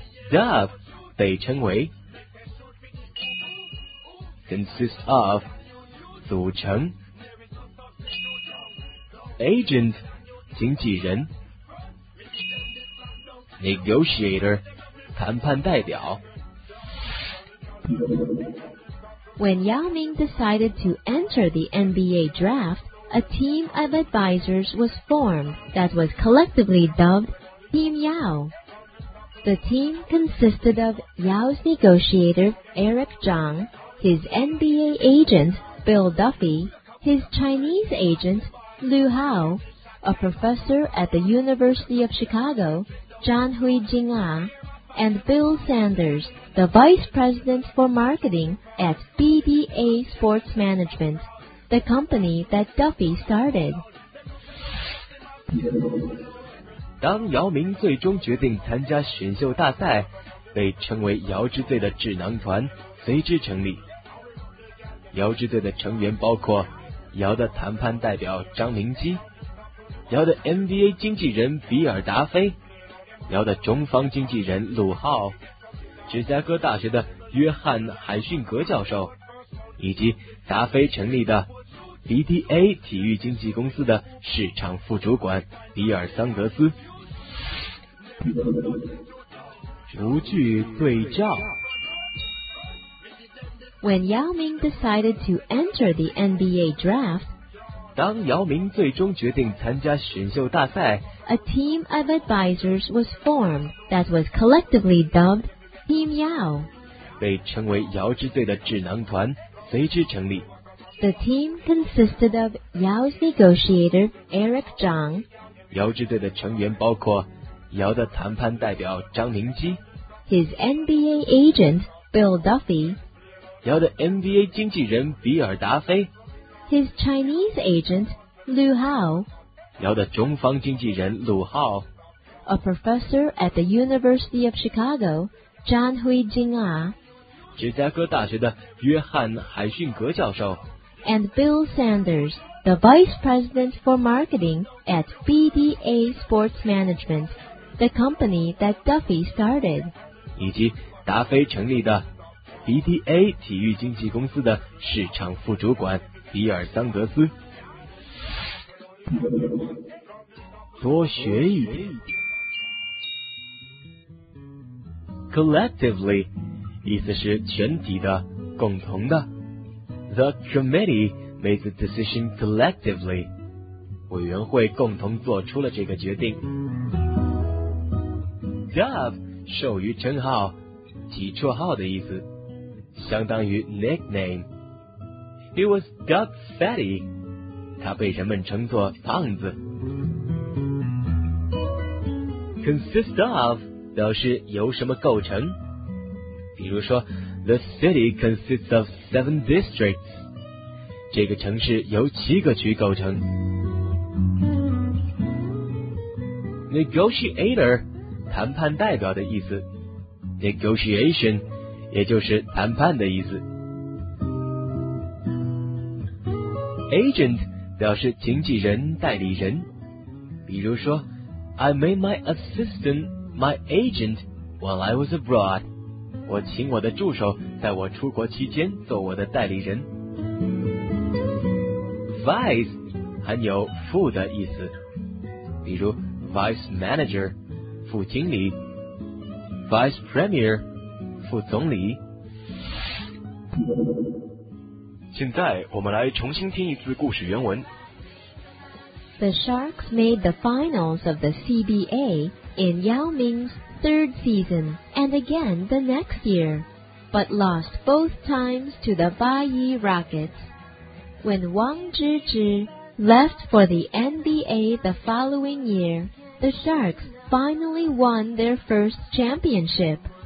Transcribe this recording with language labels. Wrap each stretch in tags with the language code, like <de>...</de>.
<zh>Dub 被称为 consist of 组成 agent 经纪人 negotiator 谈判代表。</zh> <en>When Yao Ming decided to enter the NBA draft, a team of advisors was formed that was collectively dubbed Team Yao. The team consisted of Yao's negotiator, Eric Zhang, his NBA agent, Bill Duffy, his Chinese agent, Liu Hao, a professor at the University of Chicago, John Hui Jing'a, and Bill Sanders, the vice president for marketing at BBA Sports Management, the company that Duffy started.</en> <zh>当姚明最终决定参加选秀大赛，被称为姚之队的智囊团随之成立。姚之队的成员包括姚的谈判代表张明基，姚的 NBA 经纪人比尔达菲，姚的中方经纪人鲁浩，芝加哥大学的约翰海逊格教授，以及达菲成立的 BDA 体育经纪公司的市场副主管比尔桑德斯。逐句对照。</zh> <en>When Yao Ming decided to enter the NBA draft,</en> <zh>当姚明最终决定参加选秀大赛,</zh> <en>a team of advisors was formed that was collectively dubbed Team Yao.</en> <zh>被称为姚之队的智囊团随之成立。</zh> <en>The team consisted of Yao's negotiator, Eric Zhang.</en> <zh>姚之队的成员包括姚的谈判代表张明基,</zh> <en>his NBA agent, Bill Duffy.</en> <zh>姚的 NBA 经纪人比尔达菲</zh> <en>His Chinese agent, Lu Hao</en> <zh>姚的中方经纪人鲁浩</zh> <en>A professor at the University of Chicago, Zhan Hui Jing Ah</en> <zh>芝加哥大学的约翰海逊格教授</zh> <en>And Bill Sanders, the vice president for marketing at BDA Sports Management, the company that Duffy started</en> <zh>以及达菲成立的BDA 体育经纪公司的市场副主管比尔桑德斯。多学一点。 Collectively 意思是全体的、共同的。</zh> <en>The committee made the decision collectively.</en> <zh>委员会共同做出了这个决定。 Dove 授予称号，起绰号的意思。相当于 nickname.</zh> <en>He was dubbed Fatty.</en> <zh>他被人们称作胖子。 Consist of 表示由什么构成。比如说</zh> <en>The city consists of 7 districts.</en> <zh>这个城市由七个区构成。 Negotiator 谈判代表的意思。Negotiation也就是谈判的意思。 Agent 表示经纪人、代理人。比如说</zh> <en>I made my assistant my agent while I was abroad.</en> <zh>我请我的助手在我出国期间做我的代理人。 Vice 含有副的意思。比如 Vice Manager 副经理。 Vice Premier副总理。现在我们来重新听一次故事原文。</zh> <en>The Sharks made the finals of the CBA in Yao Ming's third season and again the next year, but lost both times to the Baiyi Rockets. When Wang Zhizhi left for the NBA the following year, the Sharks finally won their first championship.</en>